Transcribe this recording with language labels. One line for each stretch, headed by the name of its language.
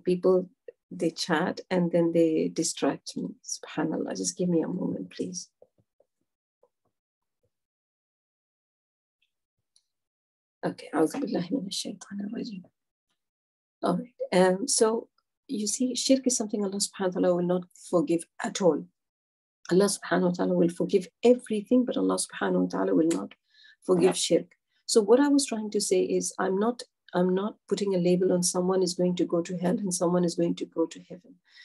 English: People, they chat and then they distract me. Subhanallah, just give me a moment, please.
Arabic: Okay, أعوذ بالله من الشيطان الرجيم.
English: All right. So you see, shirk is something Allah subhanahu wa ta'ala will not forgive at all. Allah subhanahu wa ta'ala will forgive everything, but Allah subhanahu wa ta'ala will not forgive shirk. So what I was trying to say is I'm not putting a label on someone is going to go to hell and someone is going to go to heaven.